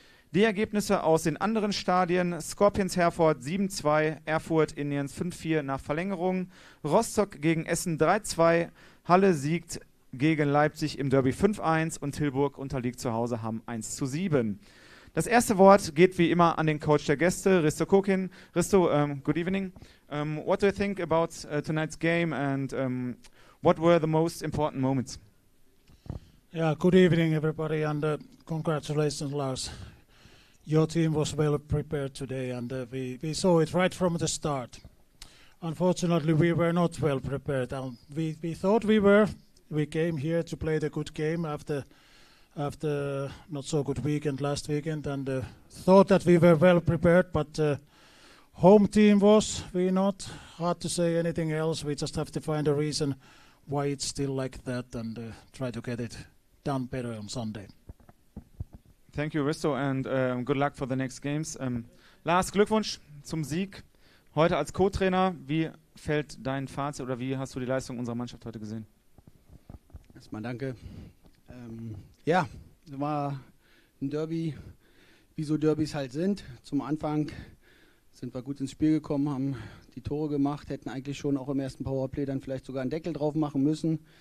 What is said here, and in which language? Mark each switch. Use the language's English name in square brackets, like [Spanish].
[German] Die Ergebnisse aus den anderen Stadien: Scorpions Herford 7-2, Erfurt Indians 5-4 nach Verlängerung, Rostock gegen Essen 3-2, Halle siegt gegen Leipzig im Derby 5-1 und Tilburg unterliegt zu Hause Hamm 1-7. Das erste Wort geht wie immer an den Coach der Gäste, Risto Kurkin. [English] Risto, good evening. What do you think about tonight's game and what were the most important moments? Yeah, good evening everybody and congratulations Lars. Your team was well prepared today and we saw it right from the start. Unfortunately, we were not well prepared. We thought we were. We came here to play the good game after not so good weekend last weekend and thought that we were well prepared, but home team was we not. Hard to say anything else. We just have to find a reason why it's still like that and try to get it done better on Sunday. Thank you, Risto, and good luck for the next games. [German] Lars, Glückwunsch zum Sieg heute als Co-Trainer. Wie fällt dein Fazit oder wie hast du die Leistung unserer Mannschaft heute gesehen? Erstmal danke. Ja, es war ein Derby, wie so Derbys halt sind. Zum Anfang sind wir gut ins Spiel gekommen, haben die Tore gemacht, hätten eigentlich schon auch im ersten Powerplay dann vielleicht sogar einen Deckel drauf machen müssen.